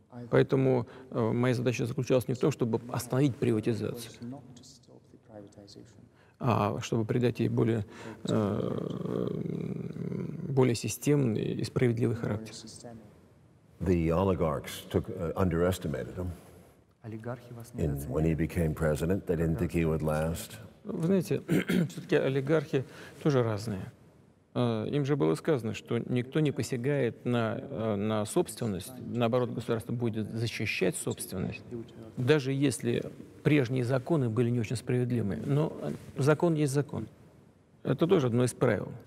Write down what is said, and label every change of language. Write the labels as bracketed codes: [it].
[ru] Поэтому моя задача заключалась не в том, чтобы остановить приватизацию, а чтобы придать ей более системный и справедливый характер. [en] The oligarchs took underestimated him. And when he became president, they didn't think he would last. [ru] Вы знаете, все-таки олигархи тоже разные. Им же было сказано, что никто не посягает на собственность, наоборот, государство будет защищать собственность, даже если прежние законы были не очень справедливы. Но закон есть закон. Это тоже одно из правил.